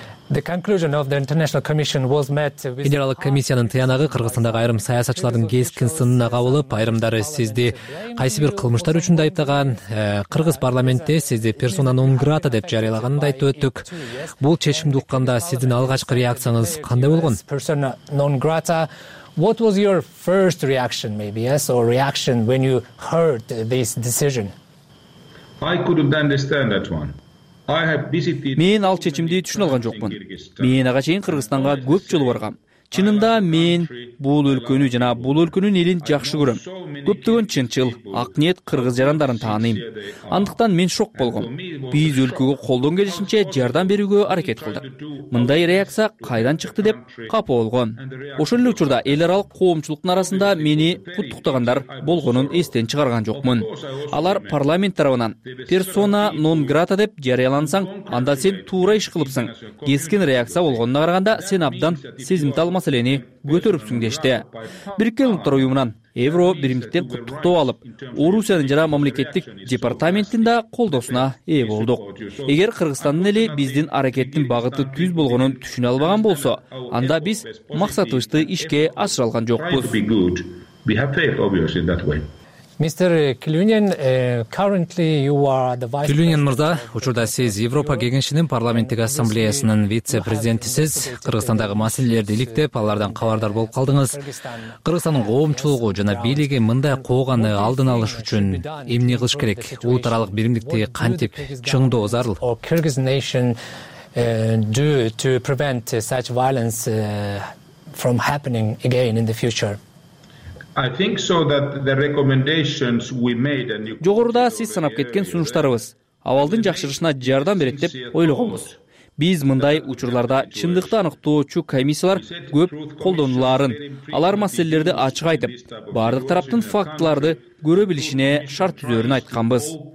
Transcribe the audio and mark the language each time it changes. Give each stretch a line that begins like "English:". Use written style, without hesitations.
English: The conclusion of the International Commission was met with
Kyrgyz: Федералдык комиссиянын тыянагы Кыргызстандагы айрым саясатчылардын кескин сынына кабылып, айрымдары сизди кайсы бир кылмыштар үчүн айыптаган, Кыргыз парламентте сизди персона нон грата деп жарыялаганын айтып өттүк. Бул чечимди укканда сиздин алгачкы реакцияңыз кандай болгон?
Latin: Persona non grata.
English: What was your first reaction maybe, yes, or reaction when you heard this decision? I couldn't understand that one.
Kyrgyz: Мен ал чечимди түшүнө алган жокмун. Мен ага чейин Кыргызстанга көп жолу баргам. Чынында мен бул өлкөнү жана бул өлкөнүн элин жакшы көрөм. Көптөгөн чынчыл, ак ниет кыргыз жарандарын тааныйм. Андыктан мен шок болгом. Биз өлкөгө колдон келишинче жардам берүүгө аракет кылдык. Мындай реакция кайдан чыкты деп капа болгон. Ошол эле учурда эл аралык коомчулуктун арасында мени куттуктагандар болгонун эстен чыгарган жокмун. Алар парламент тарабынан персона нон грата деп жарыялансаң, анда сен туура иш кылыпсың. Кескин реакция болгонуна караганда сен абдан сезим ал маселени көтөрүпсүң дешти. Бириккен улуттар уюмунан Евро биримдиктен куттуктоо алып, Орусиянын жана мамлекеттик департаментинин да колдоосуна ээ болдук. Эгер Кыргызстандын эли биздин аракеттин багыты түз болгонун түшүнө албаган болсо, анда биз максатыбызды ишке ашыра алган жокпуз.
English: Mr. Kilunian, currently you are the vice
Kyrgyz: Kilunian мырза, учурда сиз Европа кеңешинин парламенттик ассамблеясынын вице-президентисиз. Кыргызстандагы маселелерди иликтеп, алардан кабардар болуп калдыңыз. Кыргызстандын коомчулугу жана бийлиги мындай кооганы алдын алыш үчүн эмне кылыш керек? Улутаралык биримдикти кантип чыңдоо зарыл?
English: Kyrgyz nation do to prevent such violence from happening again in the future. I think so that the recommendations we made and you
Kyrgyz: Жогоруда сиз санап кеткен сунуштарыбыз абалдын жакшырышына жардам берет деп ойлогонбуз. Биз мындай учурларда чындыкты аныктоочу комиссиялар көп колдонуларын, алар маселелерди ачык айтып, бардык тараптын фактыларды көрө билишине шарт түзөрүн айтканбыз.